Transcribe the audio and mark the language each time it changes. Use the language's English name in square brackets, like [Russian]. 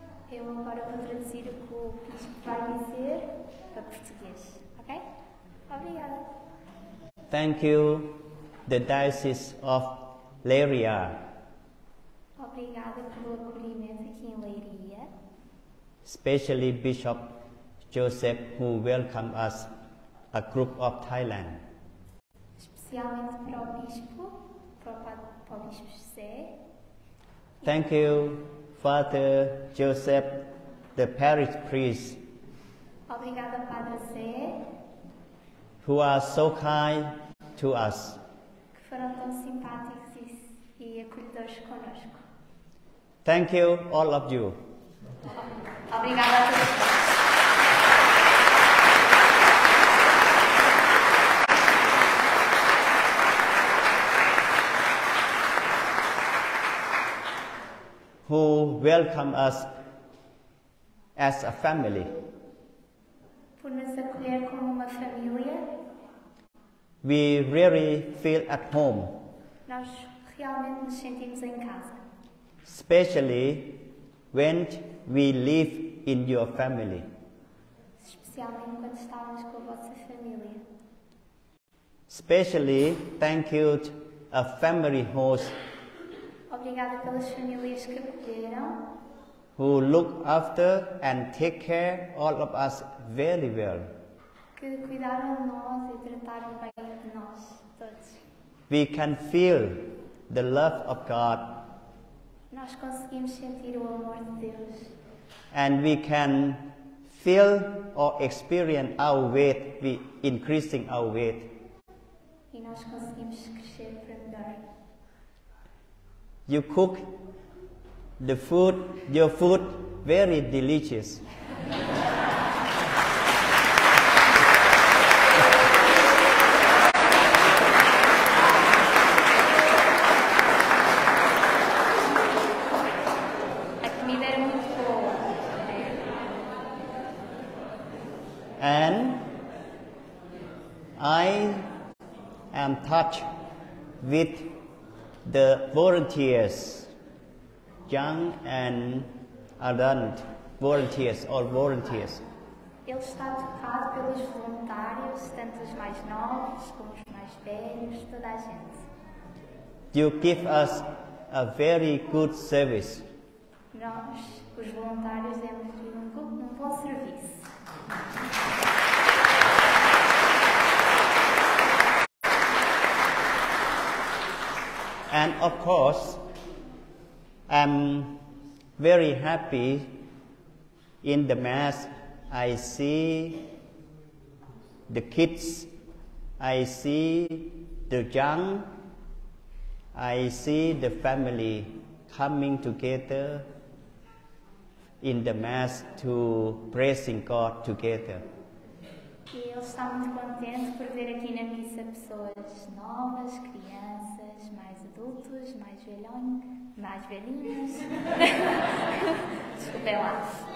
[Portuguese] Eu agora vou traduzir o que vai dizer para português, ok? Obrigada. [English] Thank you, the Diocese of Leiria. [Portuguese] Obrigada pelo acolhimento aqui em Leiria. [English] Especially Bishop Joseph, who welcomed us, a group of Thailand. [Portuguese] Especialmente para o Bispo, para o Bispo José. [English] Thank you, Father Joseph, the parish priest. [Portuguese] Obrigada, Padre Zé. [English] Who are so kind to us. [Portuguese] Que foram tão simpáticos e acolhedores conosco. [English] Thank you, all of you. [Portuguese] Obrigada a todos. [English] Who welcome us as a family. [Portuguese] Por nos acolher como uma família. [English] We really feel at home. [Portuguese] Nós realmente nos sentimos em casa. [English] Especially when we live in your family. [Portuguese] Especialmente quando estamos com a vossa família. [English] Especially thank you to a family host. [Portuguese] Obrigada pelas famílias que acolheram. [English] Who look after and take care all of us very well. [Portuguese] Que cuidaram de nós e trataram bem de nós todos. [English] We can feel the love of God. [Portuguese] Nós conseguimos sentir o amor de Deus. [English] And we can feel or experience our weight, we increasing our weight. [Portuguese] E nós conseguimos crescer para melhor. [English] You cook the food, your food, very delicious. [Portuguese] A comida era muito boa. [English] And I am touched with the volunteers, young and adult volunteers or volunteers. [Portuguese] Ele está tocado pelos voluntários, tanto os mais novos como os mais velhos, toda a gente. [English] You give us a very good service. [Portuguese] Nós, os voluntários, demos um bom serviço. [English] And of course, I'm very happy in the mass. I see the kids, I see the young, I see the family coming together in the mass to praising God together. [Portuguese] E eu estou muito contente por ver aqui na missa pessoas novas, crianças, mais adultos, mais velhões, mais velhinhos. Desculpem lá.